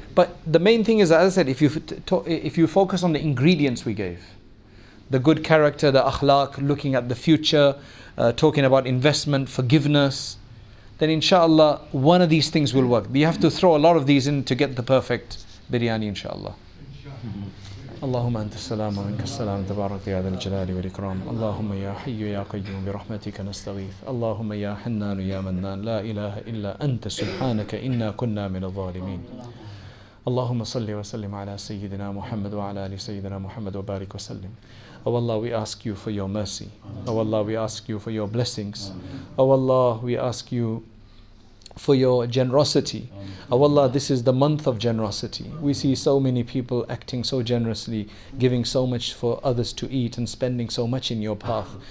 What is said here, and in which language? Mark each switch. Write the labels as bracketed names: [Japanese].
[English] But the main thing is, as I said, if you focus on the ingredients we gave, the good character, the akhlaq, looking at the future, talking about investment, forgiveness, then inshallah one of these things will work. You have to throw a lot of these in to get the perfect biryani inshallah. [Arabic] اللهم أنت السلام ومنك السلام تبارك يا ذا الجلال والإكرام اللهم يا حي يا قيوم برحمتك نستغيث اللهم يا حنان يا منان لا إله إلا أنت سبحانك إنا كنا من الظالمين اللهم صل وسلم على سيدنا محمد وعلى آل سيدنا محمد وبارك وسلم [English] Oh Allah, we ask you for your mercy. Oh Allah, we ask you for your blessings. Oh Allah, we ask you for your generosity. Oh Allah, this is the month of generosity. We see so many people acting so generously, giving so much for others to eat and spending so much in your path.